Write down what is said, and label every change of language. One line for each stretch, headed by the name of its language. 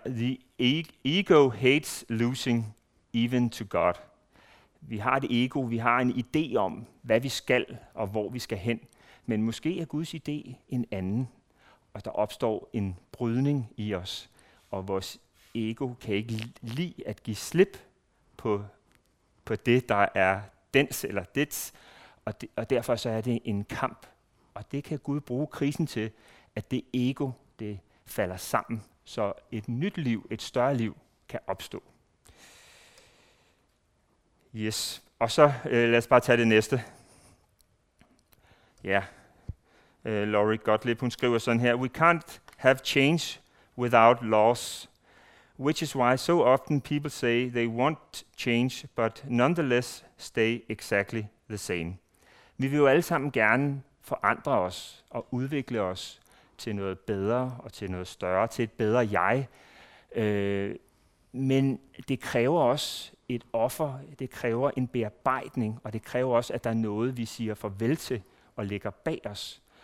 English: The ego hates losing even to God.
Danish: Vi har et ego, vi har en idé om, hvad vi skal og hvor vi skal hen. Men måske er Guds idé en anden, og der opstår en brydning i os. Og vores ego kan ikke lide at give slip på det, der er dens eller dets. Og derfor så er det en kamp. Og det kan Gud bruge krisen til, at det ego det falder sammen. Så et nyt liv, et større liv kan opstå.
English: Yes,
Danish: og så lad os bare tage det næste. Ja, Laurie Gottlieb, hun skriver sådan her.
English: We can't have change without loss, which is why so often people say they want change, but nonetheless stay exactly the same.
Danish: Vi vil jo alle sammen gerne forandre os og udvikle os til noget bedre og til noget større, til et bedre jeg. Men det kræver også et offer, det kræver en bearbejdning, og det kræver også, at der er noget, vi siger farvel til og lægger bag os.